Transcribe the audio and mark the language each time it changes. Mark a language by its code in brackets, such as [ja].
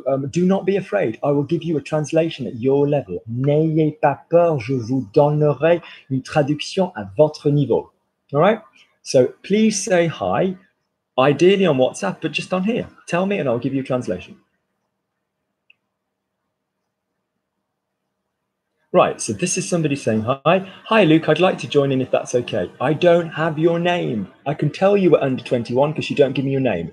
[en] Do not be afraid. I will give you a translation at your level. [fr] N'ayez pas peur. Je vous donnerai une traduction à votre niveau. [en] All right? So please say hi. Ideally on WhatsApp, but just on here. Tell me and I'll give you a translation. Right, so this is somebody saying hi. Hi, Luke, I'd like to join in if that's okay. I don't have your name. I can tell you were under 21 because you don't give me your name.